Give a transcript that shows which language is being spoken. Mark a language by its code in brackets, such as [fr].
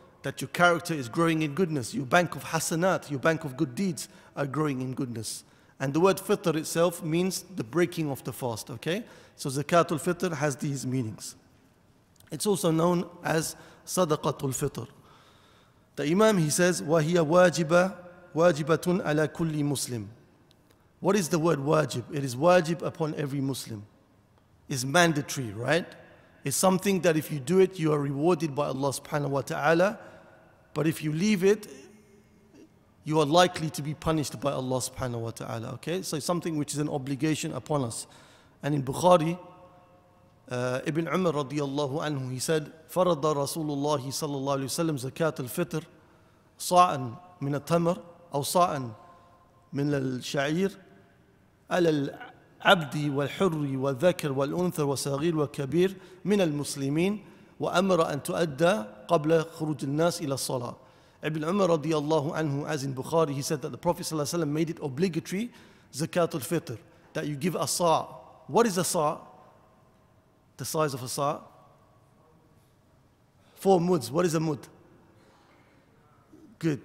[en] That your character is growing in goodness. Your bank of hasanat, your bank of good deeds are growing in goodness. And the word fitr itself means the breaking of the fast, okay? So zakatul fitr has these meanings. It's also known as sadaqatul fitr. The imam, he says, [ar] وَهِيَ وَاجِبَةٌ عَلَى كُلِّ مُسْلِمٍ. [en] What is the word wajib? It is wajib upon every Muslim. Is mandatory, right? It's something that if you do it, you are rewarded by Allah subhanahu wa ta'ala. But if you leave it, you are likely to be punished by Allah subhanahu wa ta'ala. Okay, so it's something which is an obligation upon us. And in Bukhari, Ibn Umar radiallahu anhu, he said, [ar] فَرَضَ رَسُولُ اللَّهِ صَلَّى اللَّهُ عَلَيْهِ وَسَلَّمْ زَكَاةَ الْفِطْرِ صَاعًا مِنَ التَّمَرْ أَوْ صَاعًا مِنَ الشَّعِيرِ عَلَى عبدي والحر والذكر والأنثى والصغير والكبير من المسلمين وأمر أن تؤدى قبل خروج الناس إلى الصلاة. [en] Ibn Umar radiallahu anhu, as in Bukhari, he said that the Prophet sallallahu alaihi wasallam made it obligatory, zakat al-fitr, that you give a sa'. What is a sa'? The size of a sa'. Four muds. What is a mud? Good.